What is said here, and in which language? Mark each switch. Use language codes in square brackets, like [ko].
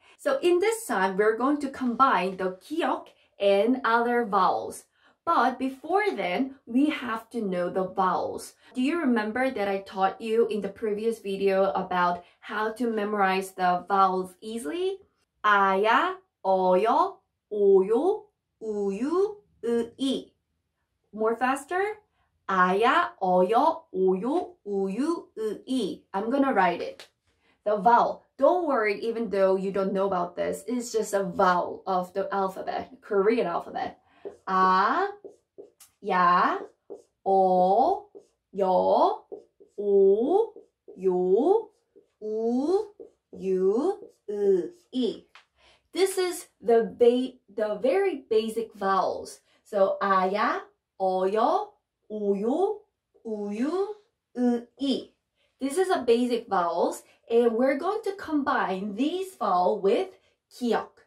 [en] So in this time, we're going to combine the 기억 and other vowels. But before then, we have to know the vowels. Do you remember that I taught you in the previous video about how to memorize the vowels easily? [ko] 아야, 어여, 오요, 우유, 으이. [en] More faster? [ko] 아야, 어여, 오요, 우유, 으이. [en] I'm gonna write it. The vowel. Don't worry, even though you don't know about this, it's just a vowel of the alphabet, Korean alphabet. [ko] 아, 야, 어, 여, 오, 요, 우, 유, 으, 이. [en] This is the very basic vowels. [ko] So 아야, 어여, 오요, 우유, 으, 이. [en] This is a basic vowels, and we're going to combine these vowels with 기억.